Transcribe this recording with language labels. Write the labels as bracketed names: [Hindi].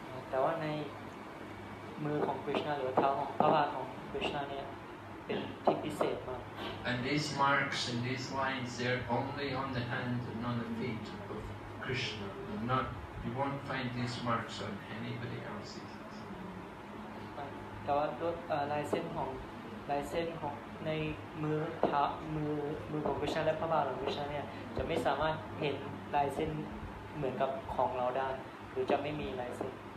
[Thai] แต่ว่าในมือของ Krishna หรือเท้าของพระบาทของ Krishna เนี่ยเป็นที่พิเศษมาก [English] And these marks and these lines they're only on the hand and on the feet of Krishna not you won't find these marks on anybody else's [Thai] แต่ว่าลายเส้นของในมือเท้ามือของ Krishna และพระบาทของ Krishna เนี่ยจะไม่สามารถเห็นลายเส้นเหมือนกับของเราได้หรือจะไม่มีลายเส้น